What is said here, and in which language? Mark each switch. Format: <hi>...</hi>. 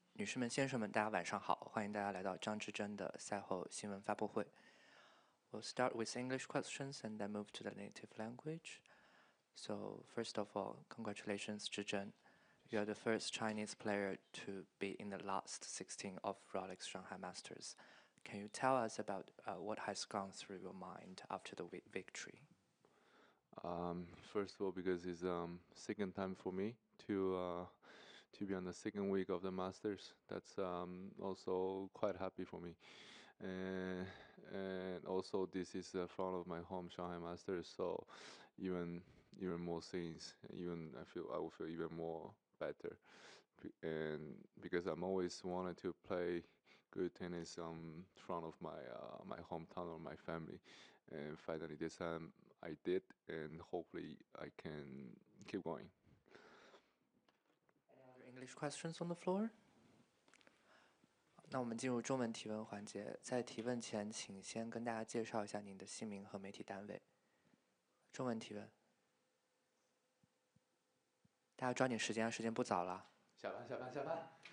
<zh>女士们、先生们，大家晚上好，欢迎大家来到张志臻的赛后新闻发布会。</zh> <en>We'll start with English questions and then move to the native language. So first of all, congratulations, Zhizhen. You are the first Chinese player to be in the last 16 of Rolex Shanghai Masters. Can you tell us about what has gone through your mind after the victory? First of all, because it's second time for me to be on the second week of the Masters. That's also quite happy for me. And also, this is in front of my home Shanghai Masters, so even more things, I will feel even more better. And because I'm always wanted to play good tennis in front of my hometown or my family. And finally, this time I did, and hopefully I can keep going. English questions on the floor?</en> <zh>那我们进入中文提问环节。在提问前，请先跟大家介绍一下您的姓名和媒体单位。中文提问。大家抓紧时间，时间不早了。下班，下班，下班。</zh>